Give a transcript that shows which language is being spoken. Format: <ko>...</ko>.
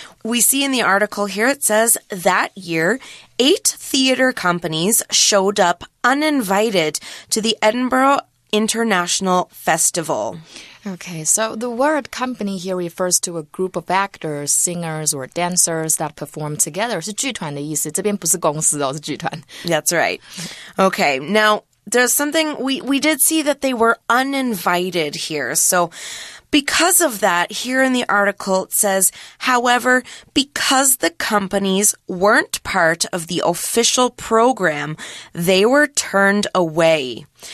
<en>We see in the article here, it says, that year, 8 theater companies showed up uninvited to the Edinburgh International Festival. Okay, so the word company here refers to a group of actors, singers, or dancers that perform together.</en> <zh>是剧团的意思，这边不是公司哦，是剧团。</zh> <en>That's right. Okay, now... There's something, we did see that they were uninvited here. So because of that, here in the article, it says, however, because the companies weren't part of the official program, they were turned away.</en>